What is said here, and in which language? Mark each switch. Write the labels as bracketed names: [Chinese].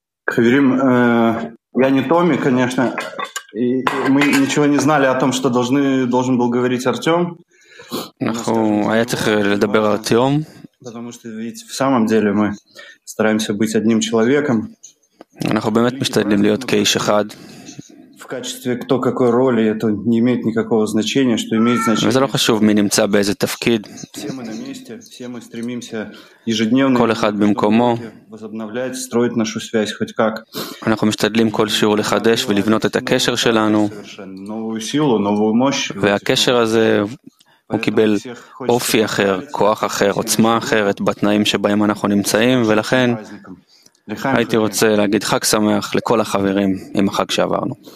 [Russian] חברים, я не Томи, конечно. И мы ничего не знали о том, что должен был говорить Артём. [Hebrew] אנחנו היה צריך לדבר על ארטיום. [Russian] Потому что ведь в самом деле мы стараемся быть одним человеком. [Hebrew] אנחנו באמת משתדלים להיות כאיש אחד. [Russian] В качестве кто какой роли, это не имеет никакого значения, что имеет значение. [Hebrew] זה לא חשוב מי נמצא באיזה תפקיד. [Russian] Все мы на месте, все мы стремимся ежедневно... [Hebrew] כל אחד במקומו. [Russian] ...возобновлять, строить нашу связь хоть как. [Hebrew] אנחנו משתדלים כל שיעור לחדש ולבנות את הקשר שלנו. [Russian] ...новую силу, новую мощь. [Hebrew] והקשר הזה... הוא קיבל אופי אחר, כוח אחר, עוצמה אחרת בתנאים שבהם אנחנו נמצאים, ולכן הייתי רוצה להגיד חג שמח לכל החברים עם החג שעברנו.